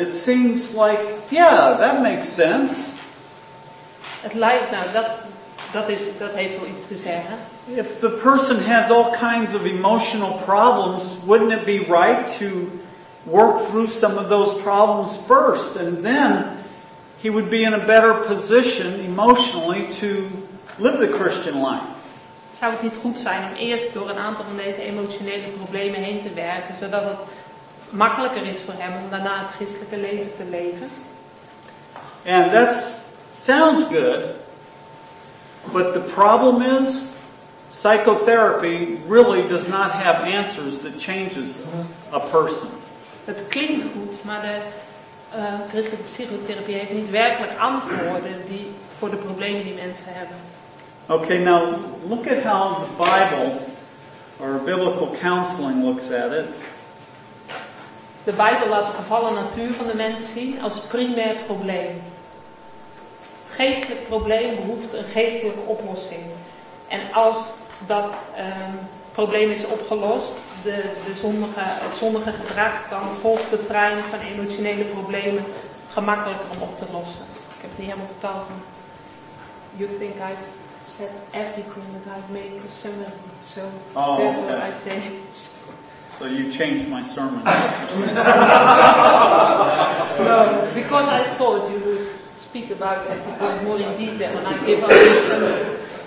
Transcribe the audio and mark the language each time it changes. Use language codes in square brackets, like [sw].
[en] It seems like, yeah, that makes sense. [nl] Het lijkt, nou, dat heeft wel iets te zeggen. [en] If the person has all kinds of emotional problems, wouldn't it be right to work through some of those problems first? And then he would be in a better position emotionally to live the Christian life. [nl] Zou het niet goed zijn om eerst door een aantal van deze emotionele problemen heen te werken, zodat het makkelijker is voor hem om daarna het christelijke leven te leven? [en] And that sounds good, but the problem is psychotherapy really does not have answers that changes a person. [nl] Het klinkt goed, maar de christelijke psychotherapie heeft niet werkelijk antwoorden die voor de problemen die mensen hebben. [en] Okay, now look at how the Bible or biblical counseling looks at it. [nl] De Bijbel laat de gevallen natuur van de mens zien als primair probleem. Het geestelijk probleem behoeft een geestelijke oplossing. En als dat probleem is opgelost, het zondige gedrag, dan volgt de trein van emotionele problemen gemakkelijk om op te lossen. Ik heb het niet helemaal vertaald, maar [en] you think I... Everything that I've made a sermon, so therefore okay. I say. So you changed my sermon. No, because I thought you would speak about everything more in detail, and I gave up the sermon.